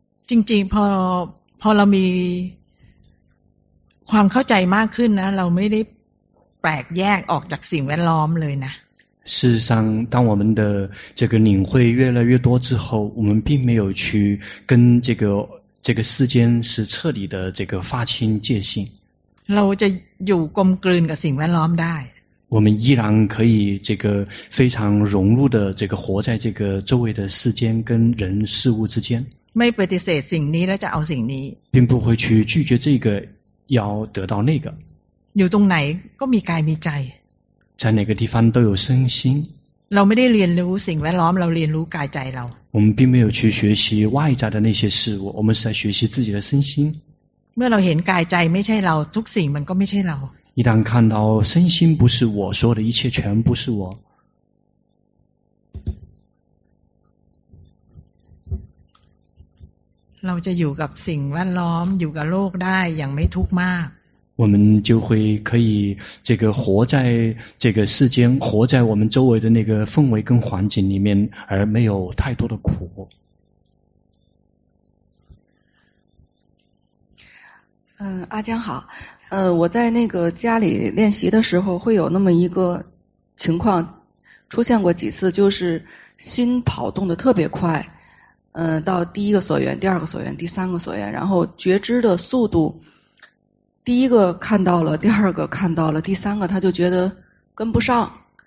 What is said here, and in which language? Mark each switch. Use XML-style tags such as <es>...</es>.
<th>จริงๆพอเรามีความเข้าใจมากขึ้นนะเราไม่ได้แปลกแยกออกจากสิ่งแวดล้อมเลยนะ</th> <zh>事实上当我们的这个领会越来越多之后我们并没有去跟这个世间是彻底的这个划清界限</zh> <th>เราจะอยู่กลมกลืนกับสิ่งแวดล้อมได้</th> <zh>我们依然可以这个非常融入的这个活在这个周围的世间跟人事物之间</zh> <th>ไม่ปฏิเสธสิ่งนี้แล้วจะเอาสิ่งนี้</th> <zh>并不会去拒绝这个要得到那个</zh> <th>อยู่ตรงไหนก็มีกายมีใจ</th> <zh>在哪个地方都有身心</zh> <th>เราไม่ได้เรียนรู้สิ่งแวดล้อมเราเรียนรู้กายใจเรา</th> <zh>我们并没有去学习外在的那些事物我们是在学习自己的身心</zh> <th>เมื่อเราเห็นกายใจไม่ใช่เราทุกสิ่งมันก็ไม่ใช่เรา</th> <zh>一旦看到身心不是我说的一切全不是我</zh> <th>เราจะอยู่กับสิ่งแวดล้อมอยู่กับโลกได้อย่างไม่ทุกข์มาก</th> <zh>我们就会可以这个活在这个世间活在我们周围的那个氛围跟环境里面而没有太多的苦阿江好我在那个家里练习的时候会有那么一个情况出现过几次就是心跑动的特别快到第一个所缘第二个所缘第三个所缘然后觉知的速度第一个看到了第二个看到了第三个他就觉得跟不上</zh>